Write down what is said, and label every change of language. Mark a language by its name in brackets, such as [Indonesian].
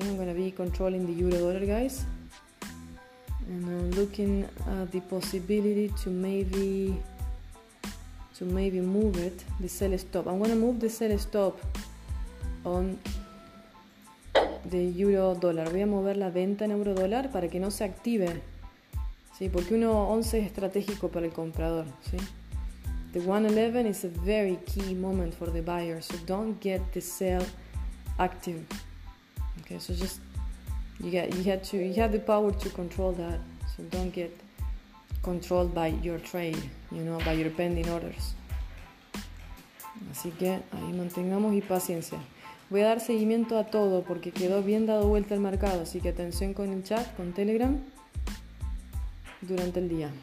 [English] I'm going to be controlling the euro dollar, guys. And I'm looking at the possibility to maybe move it, the sell stop. I'm going to move the sell stop on the euro dollar. [Spanish] Voy a mover la venta en euro dólar para que no se active. ¿Sí? Porque 1.11 es estratégico para el comprador. ¿Sí? [English] The 1.11 is a very key moment for the buyer, so don't get the sell active. Okay, so just you have the power to control that. So don't get controlled by your trade, you know, by your pending orders. [Spanish] Así que ahí mantengamos y paciencia. Voy a dar seguimiento a todo porque quedó bien dado vuelta el mercado, así que atención con el chat, con Telegram durante el día.